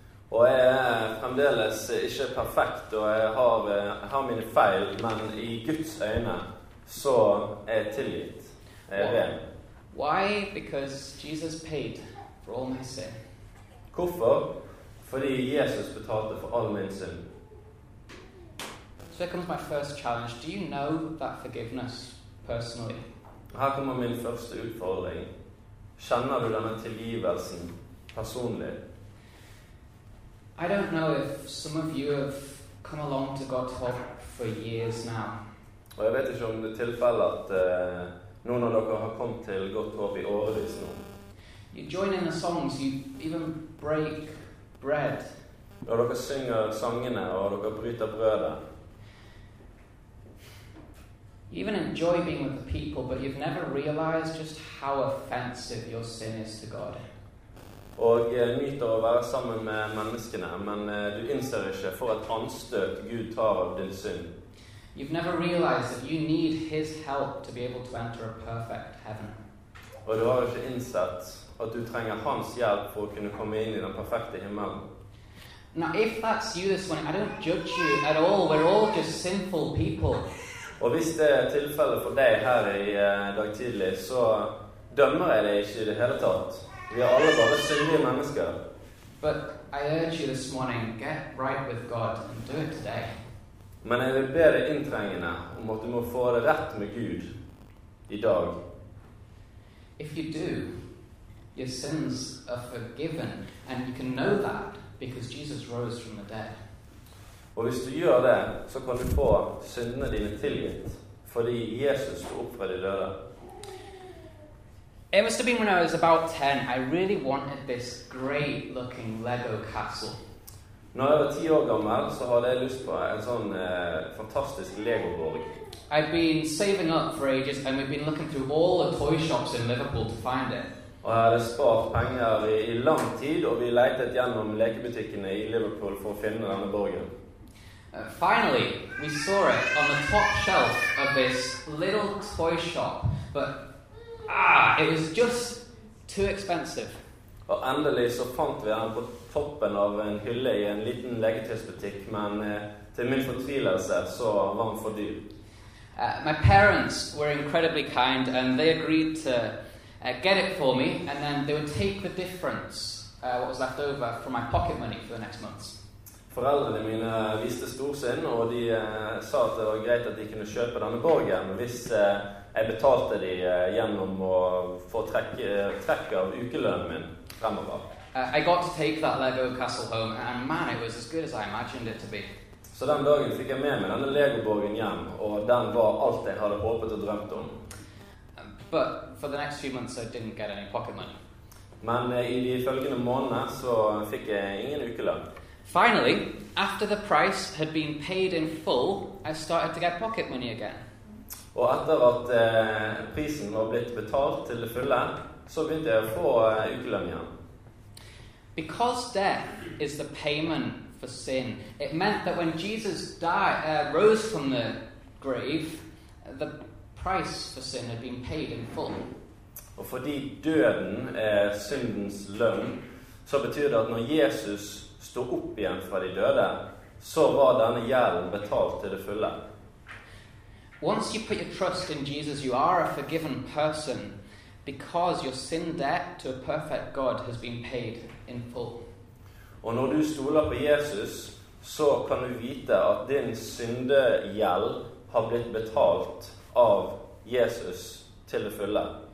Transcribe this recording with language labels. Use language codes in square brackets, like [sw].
[no] Og jeg er fremdeles ikke perfekt, og jeg har mine feil, men i Guds øyne så er jeg tilgitt. Jeg er ren. [en] Why? Because Jesus paid for all my sin. [no] Hvorfor? Fordi Jesus betalte for all min sin. [en] So here comes my first challenge. Do you know that forgiveness personally? [no] Her kommer min første utfordring. Kjenner du denne tilgivelsen personlig? [en] I don't know if some of you have come along to God's help for years now. [no] Og jeg vet ikke om det er tilfellet at noen av dere har kommet til Godt Håp i årevis nå. [en] You join in the songs, you even break bread. [no] Og dere synger sangene, og dere bryter brødet. [en] even enjoy being with the people, but you've never realized just how offensive your sin is to God. [no] Og nyter å være sammen med menneskene, men du innser ikke for et anstøt Gud tar av din synd. [en] You've never realized that you need his help to be able to enter a perfect heaven. [no] Og du har ikke innsett at du trenger hans hjelp for å kunne komme inn I den perfekte himmelen. [en] Now, if that's you this morning, I don't judge you at all. We're all just sinful people. [no] Og hvis det tilfellet for deg her I dag tidlig, så dømmer jeg deg ikke I det hele tatt. Vi alle bare syndige mennesker. [en] But I urge you this morning, get right with God and do it today. [no] Men jeg vil be deg inntrengende om at du må få det rett med Gud I dag. [en] If you do, your sins are forgiven, and you can know that because Jesus rose from the dead. [no] Og hvis du gjør det, så kan du få syndene dine tilgitt, fordi Jesus sto opp fra de døde. [en] It must have been when I was about 10, I really wanted this great-looking Lego castle. [no] Når jeg var 10 år gammel, så hadde jeg lyst på en sånn fantastisk Lego-borg. [en] I've been saving up for ages, and we've been looking through all the toy shops in Liverpool to find it. [no] Og jeg hadde spart penger I lang tid, og vi letet gjennom lekebutikkene I Liverpool for å finne denne borgen. [en] Finally, we saw it on the top shelf of this little toy shop, but it was just too expensive. [no] Og endelig så fant vi den på toppen av en hylle I en liten legetøysbutikk, men til min fortvilelse så var den for dyr. [en] My parents were incredibly kind, and they agreed to get it for me, and then they would take the difference, what was left over, from my pocket money for the next months. [no] Foreldrene mine viste storsinn, og de sa at det var greit at de kunne kjøpe denne borgen hvis jeg betalte de gjennom å få trekk av ukelønnen min fremover. [en] I got to take that Lego castle home, and man, it was as good as I imagined it to be. [no] Så den dagen fikk jeg med meg denne Lego-borgen hjem, og den var alt jeg hadde håpet og drømt om. [en] But for the next few months, I didn't get any pocket money. [no] Men I de følgende månedene så fikk jeg ingen ukelønn. [en] Finally, after the price had been paid in full, I started to get pocket money again. [no] Og etter at prisen var blitt betalt til det fulle, så begynte jeg å få ukelønn igjen. [en] Because death is the payment for sin, it meant that when Jesus died, rose from the grave, the price for sin had been paid in full. [no] Og fordi døden syndens lønn, så betyr det at når Jesus stod opp igjen fra de døde, så var denne gjelden betalt til det fulle. [en] Once you put your trust in Jesus, you are a forgiven person because your sin debt to a perfect God has been paid in full. [no] Og når du stoler på Jesus, så kan du vite at din syndegjeld har blitt betalt av Jesus til det fulle.